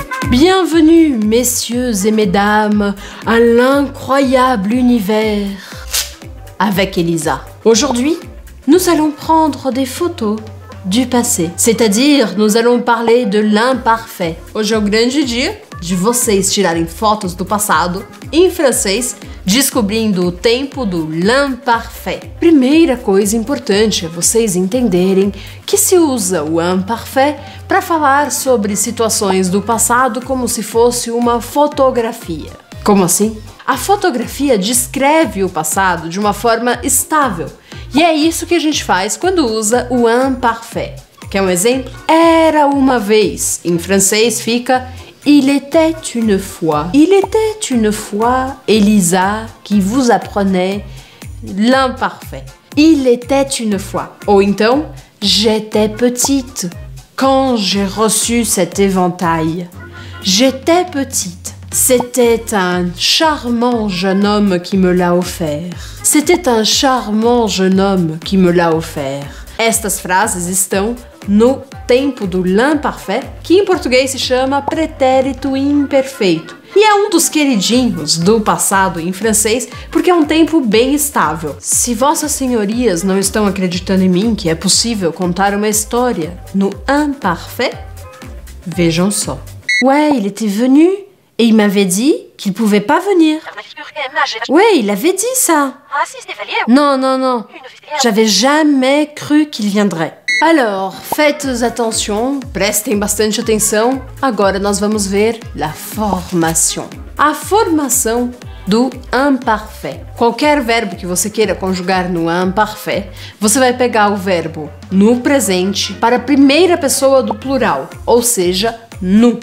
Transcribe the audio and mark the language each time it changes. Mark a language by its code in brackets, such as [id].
[fr] Bienvenue messieurs et mesdames à l'incroyable univers avec Elisa. Aujourd'hui, nous allons prendre des photos du passé, c'est-à-dire nous allons parler de l'imparfait. [pt] Hoje é um grande dia de vocês tirarem fotos do passado em francês, descobrindo o tempo do l'imparfait. Primeira coisa importante é vocês entenderem que se usa o imparfait para falar sobre situações do passado como se fosse uma fotografia. Como assim? A fotografia descreve o passado de uma forma estável. E é isso que a gente faz quando usa o imparfait. Quer um exemplo? Era uma vez. Em francês fica [fr] Il était une fois. Il était une fois Elisa qui vous apprenait l'imparfait. Il était une fois. Ou então, j'étais petite quand j'ai reçu cet éventail. J'étais petite. C'était un charmant jeune homme qui me l'a offert. C'était un charmant jeune homme qui me l'a offert. [pt] Estas frases estão no tempo do l'imparfait, que em português se chama pretérito imperfeito. E é um dos queridinhos do passado em francês, porque é um tempo bem estável. Se vossas senhorias não estão acreditando em mim que é possível contar uma história no imparfait, vejam só. [fr] Ouais, il était venu et il m'avait dit qu'il pouvait pas venir. Ouais, il avait dit ça. Non. J'avais jamais cru qu'il viendrait. Alors, faites attention, [pt] prestem bastante atenção. Agora nós vamos ver [fr] la formation. [pt] A formação do imparfait. Qualquer verbo que você queira conjugar no imparfait, você vai pegar o verbo no presente para a primeira pessoa do plural, ou seja, no.